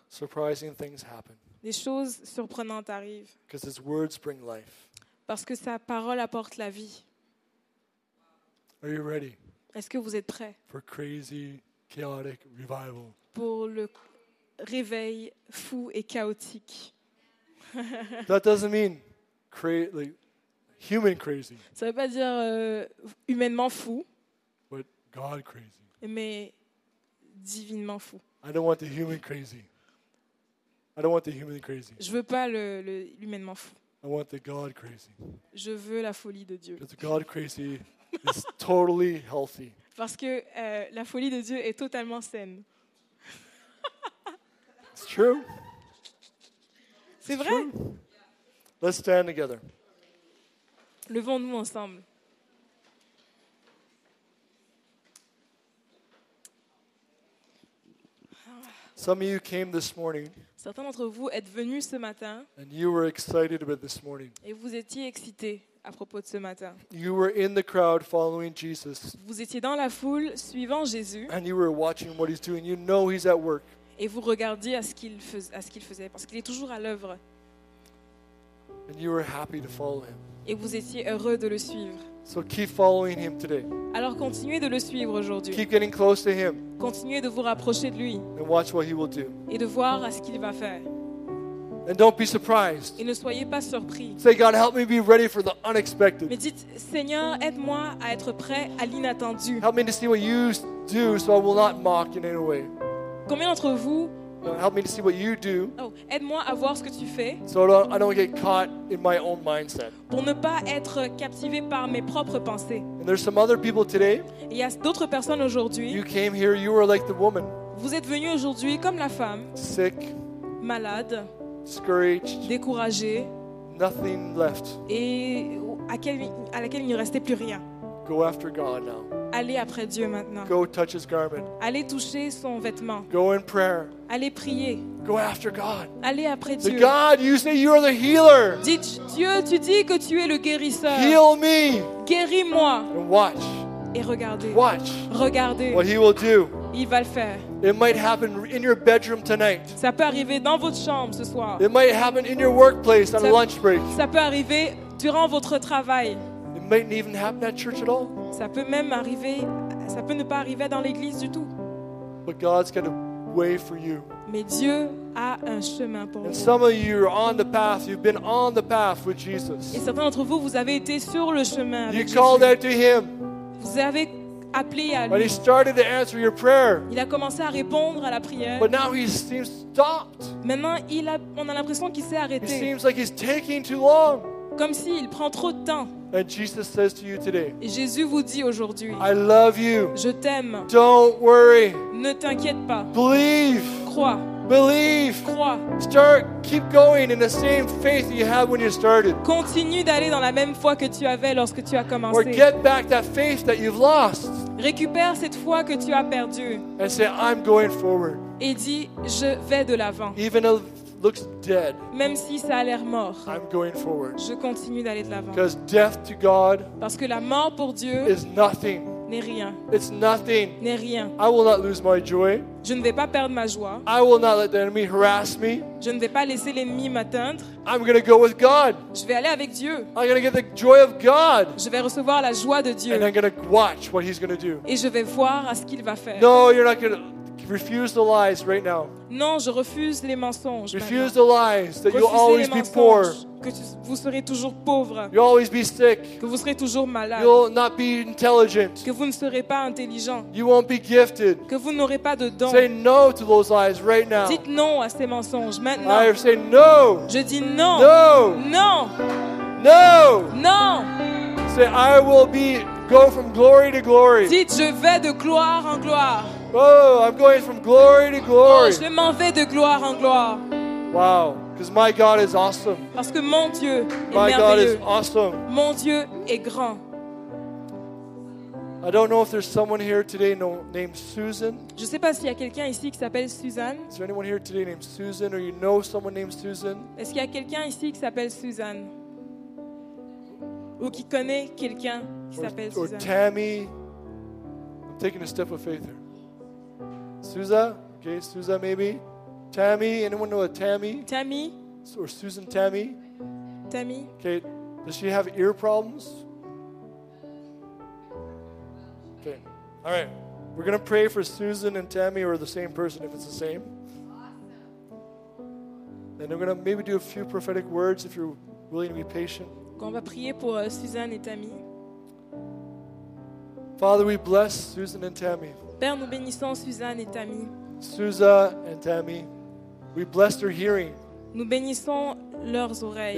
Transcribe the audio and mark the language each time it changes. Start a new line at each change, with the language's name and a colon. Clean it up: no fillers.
English: surprising things happen.
French: Des choses surprenantes arrivent.
English: Because his words bring life.
French: Parce que sa parole apporte la vie.
English: Are you ready?
French: Est-ce que vous êtes prêt?
English: For crazy, chaotic revival.
French: Pour le réveil fou et chaotique.
English: That doesn't mean human crazy.
French: Ça veut pas dire humainement fou.
English: But God crazy.
French: Mais divinement fou.
English: I don't want the human crazy. I don't want the human crazy.
French: Je veux pas le humainement fou.
English: I want the God crazy.
French: Je veux la folie de Dieu.
English: Because God crazy is totally healthy.
French: Parce que la folie de Dieu est totalement saine.
English: It's true.
French: C'est vrai. True.
English: Let's stand together.
French: Levons-nous ensemble.
English: Some of you came this morning.
French: Certains d'entre vous êtes venus ce matin.
English: And you were excited about this morning.
French: Et vous étiez excités à propos de ce matin.
English: You were in the crowd following Jesus.
French: Vous étiez dans la foule suivant Jésus.
English: And you were watching what he's doing. You know he's at work.
French: Et vous regardiez à ce qu'il faisait parce qu'il est toujours à l'œuvre.
English: And you were happy to follow him.
French: Et vous étiez heureux de le suivre.
English: So keep following him today.
French: Alors continuez de le suivre aujourd'hui.
English: Keep getting close to him.
French: Continuez de vous rapprocher de lui.
English: And watch what he will do.
French: Et de voir à ce qu'il va faire.
English: And don't be surprised.
French: Et ne soyez pas surpris.
English: Say, God, help me be ready for the unexpected.
French: Mais dites, Seigneur, aide-moi à être prêt à l'inattendu.
English: Help me to see what you do, so I will not mock in any way.
French: Combien d'entre vous?
English: Help me to see what you do.
French: Oh, aide-moi à voir ce que tu fais.
English: So I don't get caught in my own mindset.
French: Pour ne pas être captivé par mes propres pensées.
English: And there's some other people today.
French: Il y a d'autres personnes aujourd'hui.
English: You came here. You were like the woman.
French: Vous êtes venu aujourd'hui comme la femme.
English: Sick.
French: Malade.
English: Discouraged.
French: Découragé.
English: Nothing left.
French: Et à laquelle il ne restait plus rien.
English: Go after God now.
French: Allez après Dieu maintenant.
English: Go touch his garment.
French: Allez toucher son vêtement.
English: Go in prayer.
French: Allez prier.
English: Go after God.
French: Allez après Dieu.
English: The God, you say you are the healer.
French: Dites Dieu, tu dis que tu es le guérisseur.
English: Heal me.
French: Guéris-moi.
English: And watch.
French: Et regardez.
English: Watch.
French: Regardez.
English: What he will do.
French: Il va le faire.
English: It might happen in your bedroom tonight.
French: Ça peut arriver dans votre chambre ce soir.
English: It might happen in your workplace on a lunch break.
French: Ça peut arriver durant votre travail.
English: It mightn't even happen at church at all.
French: Ça peut même arriver, ça peut ne pas arriver dans l'église du tout.
English: But God's got a way for you.
French: Mais Dieu a un chemin pour
English: and
French: vous.
English: Some of you are on the path. You've been on the path with Jesus.
French: Et certains d'entre vous, vous avez été sur le chemin avec
English: you
French: Jésus.
English: Called out to him.
French: Vous avez appelé à lui.
English: But he started to answer your prayer.
French: Il a commencé à répondre à la prière.
English: But now he seems stopped.
French: Maintenant, on a l'impression qu'il s'est arrêté.
English: It seems like he's taking too long.
French: Comme s'il prend trop de temps.
English: And Jesus says to you today.
French: Et Jésus vous dit aujourd'hui.
English: I love you.
French: Je t'aime.
English: Don't worry.
French: Ne t'inquiète pas.
English: Believe.
French: Crois.
English: Believe.
French: Crois.
English: Start. Keep going in the same faith you had when you started.
French: Continue d'aller dans la même foi que tu avais lorsque tu as commencé.
English: Or get back that faith that you've lost.
French: Récupère cette foi que tu as perdue.
English: And say I'm going forward.
French: Et dis je vais de l'avant.
English: Even if looks dead.
French: Même si ça a l'air mort.
English: I'm going forward.
French: Je continue d'aller de l'avant.
English: Because death to God.
French: Parce que la mort pour Dieu.
English: Is nothing.
French: N'est rien.
English: It's nothing.
French: N'est rien.
English: I will not lose my joy.
French: Je ne vais pas perdre ma joie.
English: I will not let the enemy harass me.
French: Je ne vais pas laisser l'ennemi m'atteindre.
English: I'm going to go with God.
French: Je vais aller avec Dieu.
English: I'm going to get the joy of God.
French: Je vais recevoir la joie de Dieu.
English: And I'm going to watch what he's going to do.
French: Et je vais voir à ce qu'il va faire.
English: No, you're not going to refuse the lies right now.
French: Non, je refuse les mensonges.
English: Refuse the lies that you'll always be poor.
French: Que vous serez toujours pauvre.
English: You'll always be sick.
French: Que vous serez toujours malade.
English: You'll not be intelligent.
French: Que vous ne serez pas intelligent.
English: You won't be gifted.
French: Que vous n'aurez pas de dons.
English: Say no to those lies right now.
French: Dites non à ces mensonges maintenant.
English: I say no.
French: Je dis non.
English: No.
French: Non.
English: No.
French: Non.
English: Say I will be go from glory to glory.
French: Dites je vais de gloire en gloire.
English: Oh, I'm going from glory to glory.
French: Oh, je m'en vais de gloire en gloire.
English: Wow, because my God is awesome.
French: Parce que mon Dieu est merveilleux.
English: My God is awesome.
French: Mon Dieu est grand.
English: I don't know if there's someone here today named Susan.
French: Je sais pas s'il y a quelqu'un ici qui s'appelle Susan.
English: Is there anyone here today named Susan, or you know someone named Susan?
French: Est-ce qu'il y a quelqu'un ici qui s'appelle Susan? Ou qui connaît quelqu'un qui s'appelle Susan?
English: Or Tammy. I'm taking a step of faith here. Souza, okay, Souza maybe. Tammy, anyone know a Tammy? Tammy. Or Susan Tammy? Tammy. Okay, does she have ear problems? Okay, all right. We're going to pray for Susan and Tammy or the same person if it's the same. Awesome. And we're going to maybe do a few prophetic words if you're willing to be patient.
French: On va prier pour Susan et Tammy.
English: Father, we bless Susan and Tammy.
French: Père, nous bénissons Suzanne et Tammy.
English: Susa and Tammy. We bless their hearing.
French: Nous bénissons leurs oreilles.